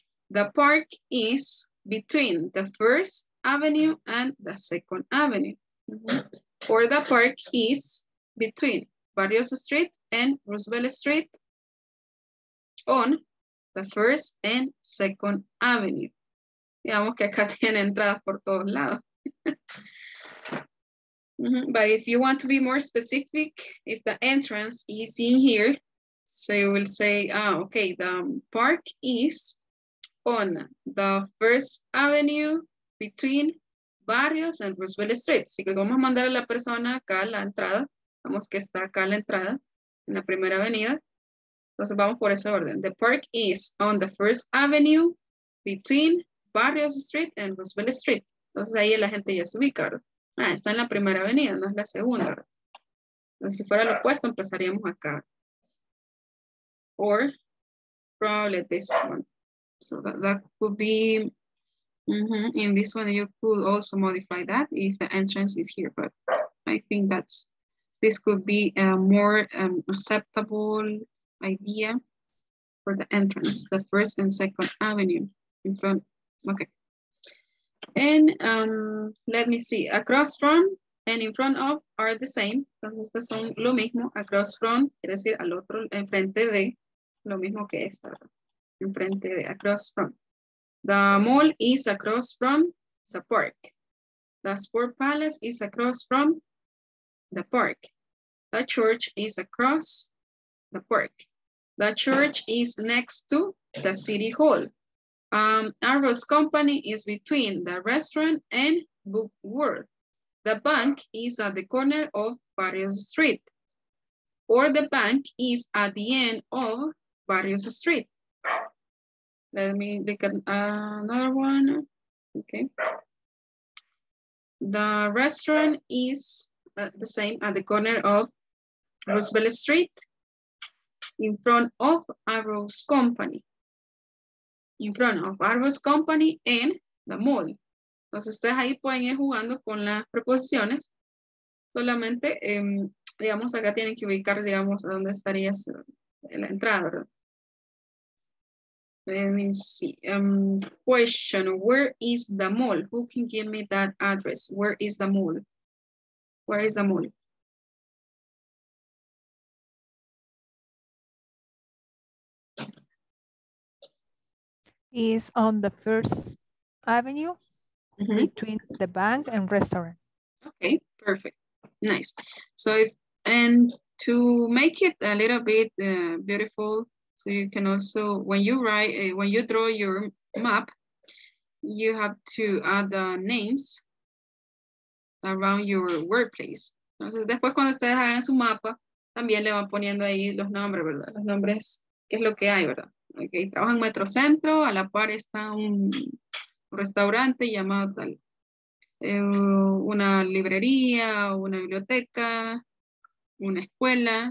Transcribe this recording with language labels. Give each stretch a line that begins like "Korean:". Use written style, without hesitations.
English: The park is between the First Avenue and the Second Avenue. Mm-hmm. Or the park is between Barrios Street and Roosevelt Street on the First and Second Avenue.
Spanish: Digamos que acá tiene entradas por todos lados. Mm-hmm.
English: But if you want to be more specific, if the entrance is in here, so you will say, ah, okay, the park is on the First Avenue between Barrios and Roosevelt Street.
Spanish: Así que vamos a mandar a la persona acá a la entrada. Vamos que está acá a la entrada, en la primera avenida. Entonces vamos por ese orden.
English: The park is on the First Avenue between Barrios Street and Roosevelt Street.
Spanish: Entonces ahí la gente ya se ubica, ¿verdad? Ah, está en la primera avenida, no es la segunda. Entonces si fuera lo opuesto, empezaríamos acá.
English: Or probably this one. So that could be, mm-hmm, in this one you could also modify that if the entrance is here, but I think that's, this could be a more acceptable idea for the entrance, the First and Second Avenue in front. Okay. And let me see, across from and in front of are the same.
Spanish: Entonces estas son lo mismo, across from, quiere decir al otro, enfrente de, lo mismo que esta.
English: In front of, across from. The mall is across from the park. The sport palace is across from the park. The church is across the park. The church is next to the city hall. Arrow's Company is between the restaurant and Book World. The bank is at the corner of Barrios Street. Or the bank is at the end of Barrios Street. Let me look at another one. Okay. The restaurant is the same at the corner of Roosevelt Street, in front of Arrow's Company. In front of Arrow's Company and the mall.
Spanish: Entonces, ustedes ahí pueden ir jugando con las preposiciones. Solamente, digamos, acá tienen que ubicar, digamos, a dónde estaría la entrada, ¿verdad?
English: Let me see. Question, where is the mall? Who can give me that address? Where is the mall? Where is the mall? Is on the First Avenue, mm-hmm, between the bank and restaurant. Okay, perfect. Nice. So if, and to make it a little bit beautiful, so you can also, when you write, when you draw your map, you have to add the names around your workplace.
Spanish: Entonces, después cuando ustedes hagan su mapa, también le van poniendo ahí los nombres, ¿verdad? Los nombres, qué es lo que hay, ¿verdad? Okay, trabaja en Metro Centro, a la par está un restaurante llamado tal, una librería, una biblioteca, una escuela.